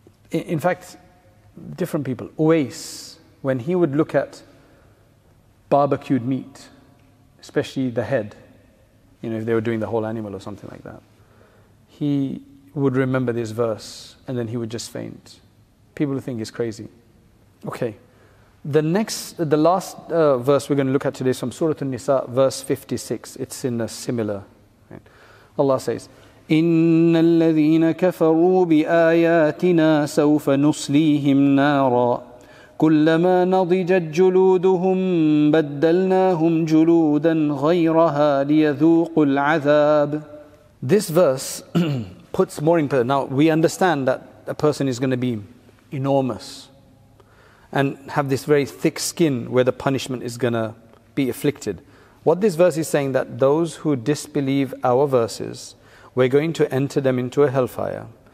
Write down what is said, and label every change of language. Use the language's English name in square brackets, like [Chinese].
[English] In fact, different people, Uwais, when he would look at barbecued meat, especially the head, you know, if they were doing the whole animal or something like that, he would remember this verse and then he would just faint. People think he's crazy. Okay. The last verse we're going to look at today is from Surah An-Nisa, verse 56. It's in a similar, right? Allah says, [Arabic] إِنَّ الَّذِينَ كَفَرُوا بِآيَاتِنَا سَوْفَ نُصْلِيهِمْ نَارًا كُلَّمَا نَضِجَتْ جُلُودُهُمْ بَدَّلْنَاهُمْ جُلُودًا غَيْرَهَا لِيَذُوقُوا الْعَذَابِ. [English] This verse puts more in perspective. Now, we understand that a person is going to be enormous and have this very thick skin where the punishment is going to be afflicted. What this verse is saying, that those who disbelieve our verses, we're going to enter them into a hellfire.